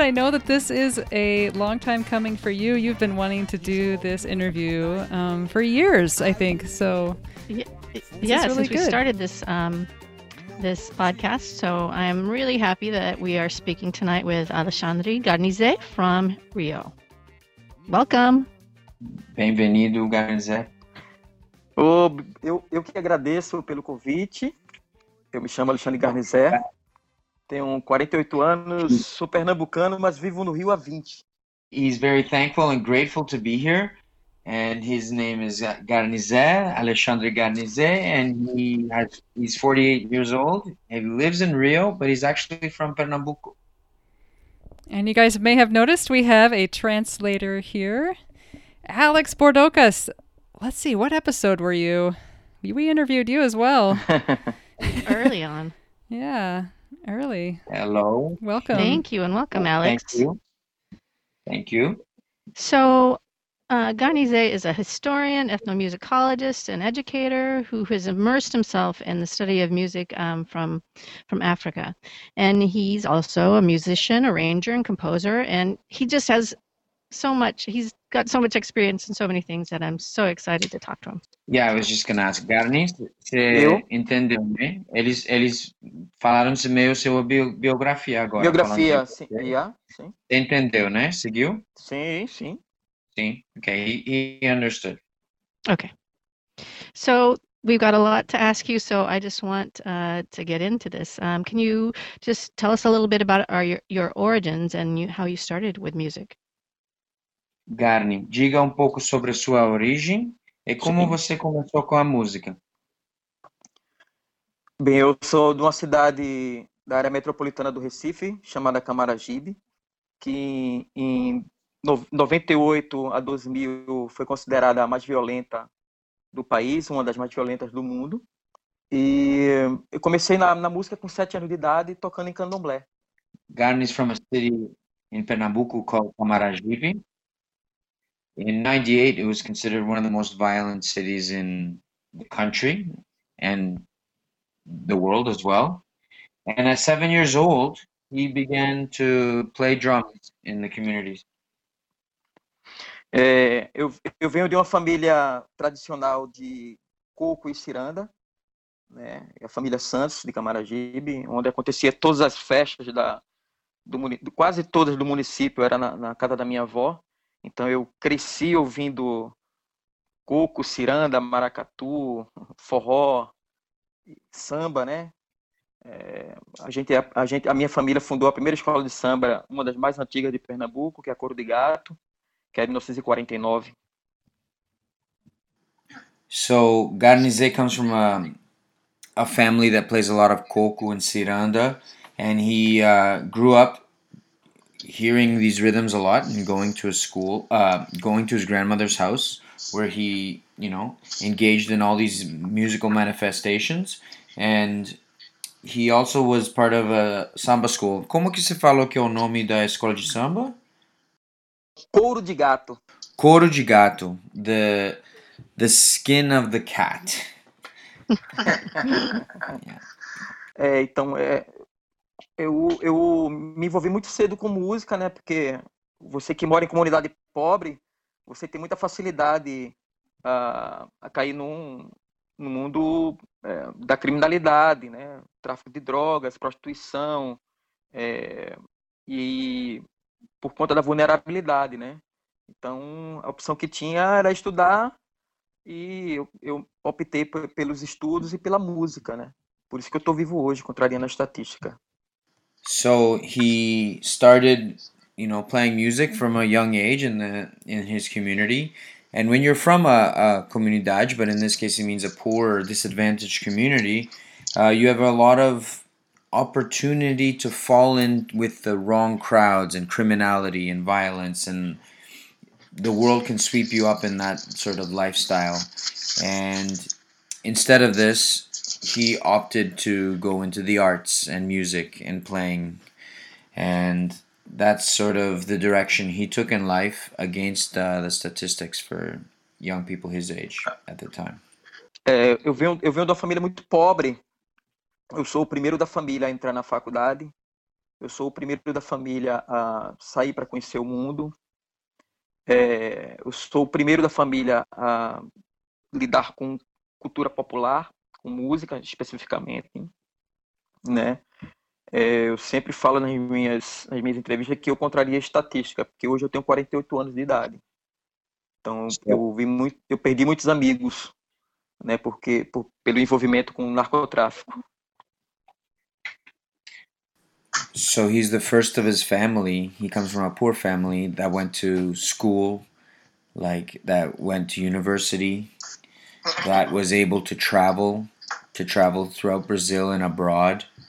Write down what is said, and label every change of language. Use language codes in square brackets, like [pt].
[en] I know that this is a long time coming for you. You've been wanting to do this interview for years, I think. So, yeah, really since good. We started this podcast, so I'm really happy that we are speaking tonight with Alexandre Garnizé from Rio. Welcome. [pt] Bem-vindo, Garnizé. Eu que agradeço pelo convite. Eu me chamo Alexandre Garnizé. Tenho 48 anos, sou pernambucano, mas vivo no Rio há 20. [en] He's very thankful and grateful to be here. And his name is Garnizé, Alexandre Garnizé, and he's 48 years old. He lives in Rio, but he's actually from Pernambuco. And you guys may have noticed we have a translator here, Alex Bordocas. Let's see, what episode were you? We interviewed you as well. Early on. Yeah. Early. Hello. Welcome. Thank you and welcome, Alex. Thank you. So, Garnizé is a historian, ethnomusicologist, and educator who has immersed himself in the study of music from Africa. And he's also a musician, arranger, and composer. And he just has so much. He's got so much experience in so many things that I'm so excited to talk to him. Yeah, I was just going to ask, Garnizé, [pt] você entendeu, né? Eles falaram se meio sua biografia agora. Biografia, sim. [en] Yeah, [pt] sim. Entendeu, né? Seguiu? Sim. Sim, [en] okay, he understood. Okay. So, we've got a lot to ask you, so I just want to get into this. Can you just tell us a little bit about your origins and how you started with music? [pt] Garni, diga um pouco sobre a sua origem e como Sim. você começou com a música. Bem, eu sou de uma cidade da área metropolitana do Recife, chamada Camaragibe, que em 98 a 2000 foi considerada a mais violenta do país, uma das mais violentas do mundo. E eu comecei na música com 7 anos de idade, tocando em candomblé. [en] Garni is from a city in Pernambuco called Camaragibe. In 98, it was considered one of the most violent cities in the country and the world as well. And at 7 years old, he began to play drums in the communities. [pt] Eu venho de uma família tradicional de coco e ciranda, né? A família Santos de Camaragibe, onde acontecia todas as festas quase todas do município, era na casa da minha avó. Então eu cresci ouvindo coco, ciranda, maracatu, forró, samba, né? A minha família fundou a primeira escola de samba, uma das mais antigas de Pernambuco, que é a Coro de Gato, que é de 1949. [en] So Garnizé comes from a family that plays a lot of coco and ciranda, and he grew up hearing these rhythms a lot and going to a school, going to his grandmother's house where he, engaged in all these musical manifestations. And he also was part of a samba school. [pt] Como que se fala que é o nome da escola de samba? Couro de gato. Coro de gato, [en] the skin of the cat. [pt] Então, eu me envolvi muito cedo com música, né? Porque você que mora em comunidade pobre, você tem muita facilidade a cair no mundo da criminalidade, né? Tráfico de drogas, prostituição, e por conta da vulnerabilidade, né? Então, a opção que tinha era estudar e eu optei pelos estudos e pela música, né? Por isso que eu estou vivo hoje, contrariando a estatística. [en] So he started, playing music from a young age in his community. And when you're from a comunidade, but in this case it means a poor or disadvantaged community, you have a lot of opportunity to fall in with the wrong crowds and criminality and violence, and the world can sweep you up in that sort of lifestyle. And instead of this, he opted to go into the arts and music and playing, and that's sort of the direction he took in life against the statistics for young people his age at the time. [pt] Eu venho de uma família muito pobre. Eu sou o primeiro da família a entrar na faculdade. Eu sou o primeiro da família a sair para conhecer o mundo. Eu sou o primeiro da família a lidar com cultura popular, com música especificamente, né? Eu sempre falo nas minhas entrevistas que eu contraria a estatística, porque hoje eu tenho 48 anos de idade. Então, eu perdi muitos amigos. Né, porque pelo envolvimento com o narcotráfico. [en] So he's the first of his family. He comes from a poor family that went to school, like that went to university, that was able to travel throughout Brazil and abroad.